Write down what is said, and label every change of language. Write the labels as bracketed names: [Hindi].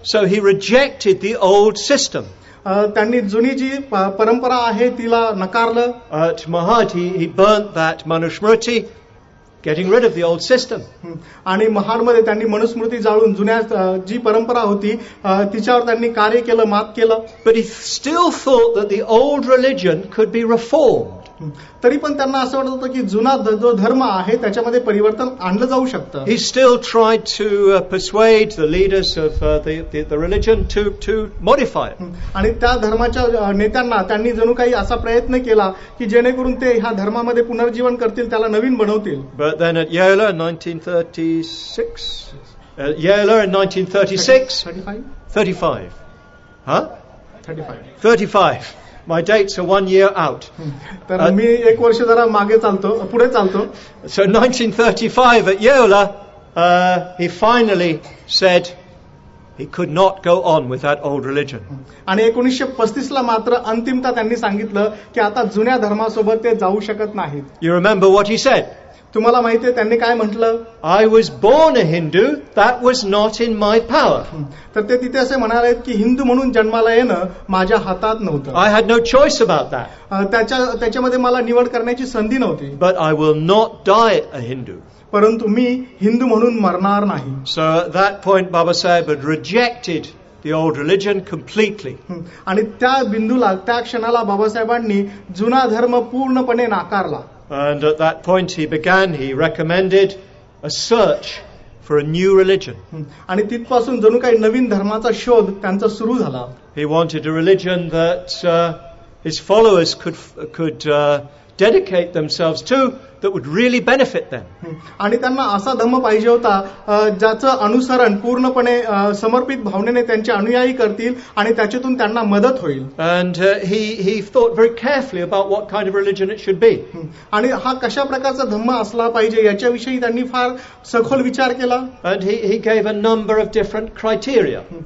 [English] So he rejected the old system. [Marathi] त्यांनी जुनी जी परंपरा आहे तिला नकारलं. [English] At Mahadi he burnt that Manusmriti, getting rid of the old system. [Marathi] आणि महाडमध्ये त्यांनी मनुस्मृती जाळून जुन्या जी परंपरा होती तिच्यावर त्यांनी कार्य केलं, मात केलं. [English] But he still thought that the old religion could be reformed. [Marathi] तरी पण त्यांना असं वाटत होतं की जुना जो धर्म आहे त्याच्यामध्ये परिवर्तन आणलं जाऊ शकतं. [English] He still tried to persuade the leaders of the religion to modify it. [Marathi] आणि त्या धर्माच्या नेत्यांना त्यांनी जणू काही असा प्रयत्न केला की जेणेकरून ते ह्या धर्मामध्ये पुनर्जीवन करतील, त्याला नवीन बनवतील. [English] But then at Yala in 1936, Yala in 35. My dates are 1 year out. [Marathi] तर मी एक वर्ष जरा मागे चालतो, पुढे चालतो. [English] So 1935 at Yala, he finally said he could not go on with that old religion. [Marathi] आणि 1935 ला मात्र अंतिमता त्यांनी सांगितलं की आता जुन्या धर्मासोबत ते जाऊ शकत नाहीत. [English] You remember what he said? [Marathi] तुम्हाला माहिती आहे त्यांनी काय म्हटलं? [English] I was born a Hindu, that was not in my power. [Marathi] तर ते तिथे असे म्हणाले की हिंदू म्हणून जन्माला येणं माझ्या हातात नव्हतं. [English] I had no choice about that. [Marathi] त्याच्यामध्ये मला निवड करण्याची संधी नव्हती. [English] But I will not die a Hindu. [Marathi] परंतु मी हिंदू म्हणून मरणार नाही. [English] So that point Babasaheb had rejected the old religion completely. [Marathi] आणि त्या बिंदूला त्या क्षणाला बाबासाहेबांनी जुना धर्म पूर्णपणे नाकारला. [English] And at that point he recommended a search for a new religion. [Marathi] आणि तिथपासून जणू काही नवीन धर्माचा शोध त्यांचा सुरू झाला. [English] He wanted a religion that his followers could dedicate themselves to, that would really benefit them. [Marathi] आणि त्यांना असा धर्म पाहिजे होता ज्याचं अनुसरण पूर्णपणे समर्पित भावनेने त्यांचे अनुयायी करतील आणि त्याच्यातून त्यांना मदत होईल. [English] And he thought very carefully about what kind of religion it should be. [Marathi] आणि हा कशा प्रकारचा धर्म असला पाहिजे याच्याविषयी त्यांनी फार सखोल विचार केला. [English] And he gave a number of different criteria.